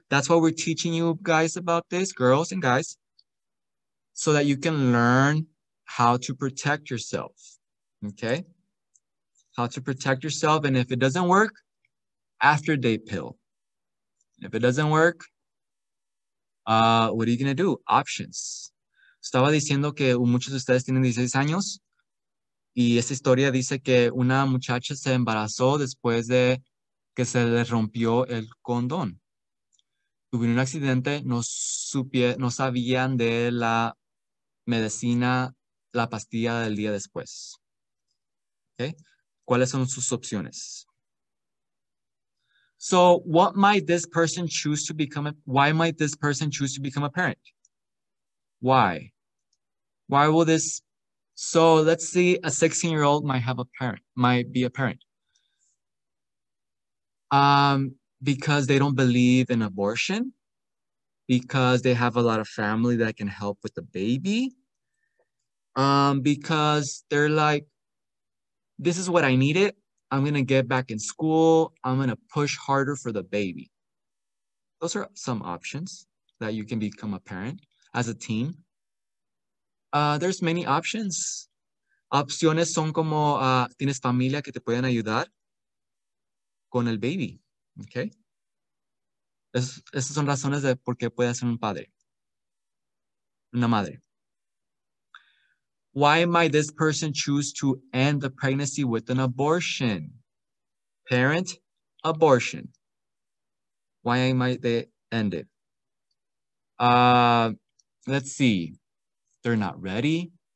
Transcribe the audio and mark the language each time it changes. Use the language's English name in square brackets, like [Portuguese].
[English] That's why we're teaching you guys about this, girls and guys, so that you can learn how to protect yourself, okay? How to protect yourself, and if it doesn't work, after day pill. If it doesn't work, what are you gonna do? Options. [Spanish] Estaba diciendo que muchos de ustedes tienen 16 años y esa historia dice que una muchacha se embarazó después de que se le rompió el condón. Tuvieron un accidente, no sabían de la medicina, la pastilla del día después. Okay. ¿Cuáles son sus opciones? [English] So, what might this person choose to become? Why might this person choose to become a parent? Why? Why will this? So, let's see, a 16-year-old might have a parent, might be a parent. Because they don't believe in abortion, because they have a lot of family that can help with the baby, because they're like, this is what I needed. I'm going to get back in school. I'm going to push harder for the baby. Those are some options that you can become a parent as a teen. There's many options. [Spanish] Opciones son como tienes familia que te pueden ayudar con el baby. Okay. Esas son razones de por qué puede ser un padre, una madre. [English] Why might this person choose to end the pregnancy with an abortion? Parent, abortion. Why might they end it? Let's see. They're not ready.